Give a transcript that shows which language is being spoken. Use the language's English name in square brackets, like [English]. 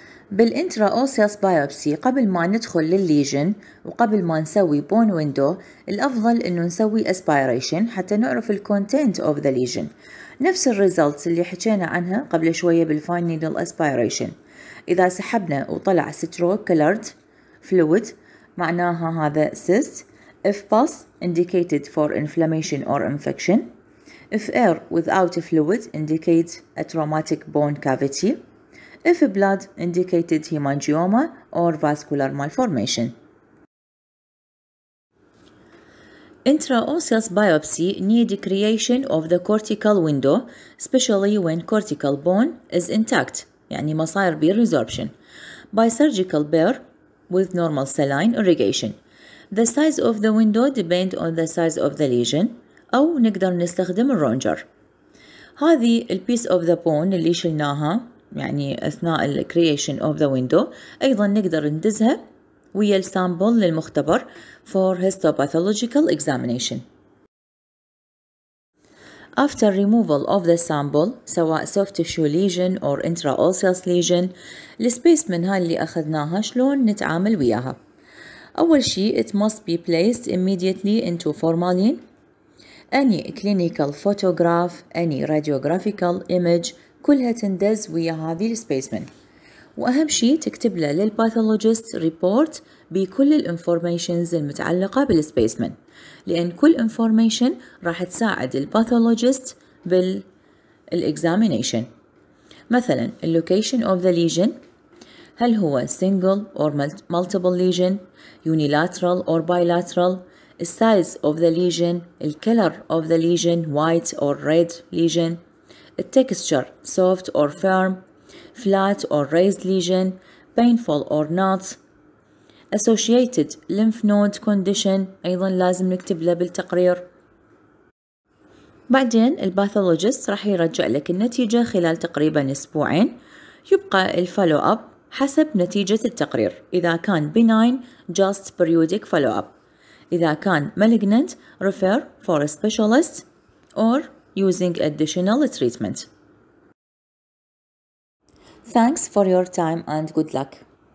[Arabic] بالإنتراوسيوس بايوبسي قبل ما ندخل للليجن وقبل ما نسوي بون ويندو الأفضل أنه نسوي أسبيريشن حتى نعرف الكونتينت أوف ذا ليجن، نفس الريزلت اللي حكينا عنها قبل شوية بالفاين نيدل أسبيريشن. إذا سحبنا وطلع سترو كولرد فلويد معناها هذا سيست. [English] If pus indicated for inflammation or infection. If air without fluid indicate a traumatic bone cavity. If blood indicated hemangioma or vascular malformation. Intraosseous biopsy need creation of the cortical window, especially when cortical bone is intact, [Arabic] يعني ما صاير بي [English] resorption, by surgical bare with normal saline irrigation. The size of the window depend on the size of the lesion, [Arabic] أو نقدر نستخدم الرونجر. هذه ال [English] piece of the bone [Arabic] اللي شلناها يعني أثناء الـ [English] creation of the window [Arabic] أيضا نقدر ندزها ويا الـ sample للمختبر [English] for histopathological examination. After removal of the sample [Arabic] سواء [English] soft tissue lesion or intraosseous lesion specimen [Arabic] هاي اللي أخذناها شلون نتعامل وياها. أول شيء [English] it must be placed immediately into formalin. Any clinical photograph, any radiographical image [Arabic] كلها تندز ويا هذه السبيسمن، وأهم شيء تكتب له للباثولوجيست ريبورت بكل الانفورميشنز المتعلقة بالسبيسمن، لأن كل انفورميشن راح تساعد الباثولوجيست بال [English] الإكزامينيشن، مثلا اللوكيشن أوف ذا ليجن، [Arabic] هل هو [English] single or multiple lesion, unilateral or bilateral, السايز of the lesion, الكلر of the lesion, white or red lesion, التكستشر soft or firm, flat or raised lesion, painful or not, associated lymph node condition، [Arabic] ايضا لازم نكتب له بالتقرير. بعدين الباثولوجيست راح يرجع لك النتيجه خلال تقريبا اسبوعين، يبقى الفولو اب حسب نتيجه التقرير، اذا كان benign [English] just periodic follow up، [Arabic] اذا كان malignant [English] refer for a specialist or using additional treatment. Thanks for your time and good luck.